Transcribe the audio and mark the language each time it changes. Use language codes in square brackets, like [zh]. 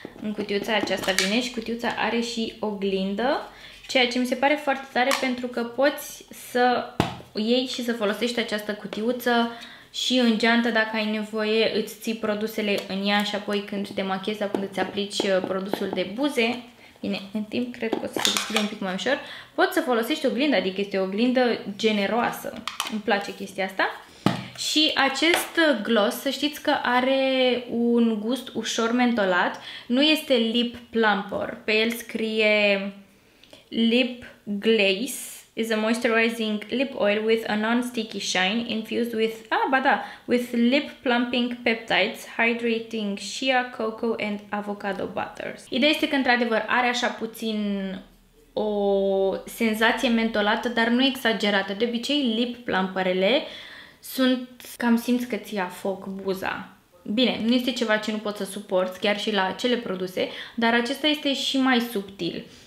[ro] În cutiuța aceasta vine și cutiuța are și oglindă, ceea ce mi se pare foarte tare pentru că poți să iei și să folosești această cutiuță și în geantă dacă ai nevoie, îți ții produsele în ea și apoi când te machiezi sau când îți aplici produsul de buze, bine, în timp cred că o să se deschide un pic mai ușor, poți să folosești oglinda, adică este o oglindă generoasă. Îmi place chestia asta. Și acest gloss, să știți că are un gust ușor mentolat, nu este lip plumper, pe el scrie lip glaze. [en] Is a moisturizing lip oil with a non-sticky shine infused with with lip plumping peptides, hydrating shea, cocoa and avocado butters. [ro] Ideea este că într-adevăr are așa puțin o senzație mentolată, dar nu exagerată. De obicei lip plumperele sunt cam simți că ți-a foc buza. Bine, nu este ceva ce nu poți să suporți chiar și la acele produse, dar acesta este și mai subtil.